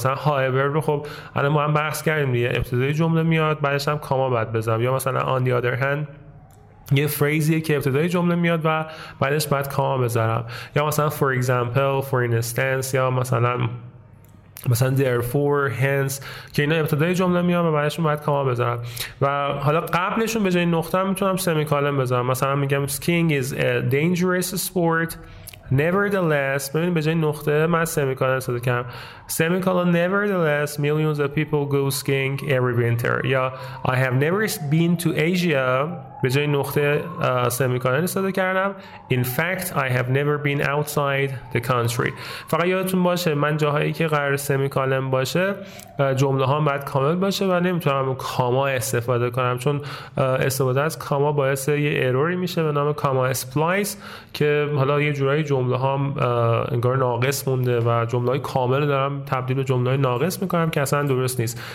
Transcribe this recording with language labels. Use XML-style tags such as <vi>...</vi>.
<fa>مثلا هاور رو خب الان ما هم بحث کردیم دیگه، ابتدای جمله میاد بعدش هم کاما بعد بزنم، یا مثلا آن دی آدر هند یه فریزیه که ابتدای جمله میاد و بعدش بعد کاما بذارم، یا مثلا for example، for instance، یا مثلا therefore، hence، که اینا ابتدای جمله میاد و بعدش بعد کاما بذارم. و حالا قبلشون به جای نقطه میتونم سمیکالون بذارم، مثلا میگم</fa> <en>skiing is a dangerous sport nevertheless،</en> <fa>ببینید به جای نقطه من سمیکالون استفاده کردم،</fa> <en>semicolon nevertheless millions of people go skiing every winter،</en> <fa>یا</fa> <en>I have never been to Asia،</en> <fa>به جای نقطه سمیکالون استفاده کردم،</fa> <en>in fact I have never been outside the country.</en> <fa>فقط یادتون باشه من جاهایی که قرار سمیکالون باشه جمله ها باید کامل باشه و نمیتونم کاما استفاده کنم، چون استفاده از کاما باعث یه ایروری میشه به نام کاما اسپلایس که حالا یه جورایی جمله ها انگار ناقص مونده و جمله های کامل دارم تبدیل به جمله ناقص میکنم که اصلا درست نیست.</fa>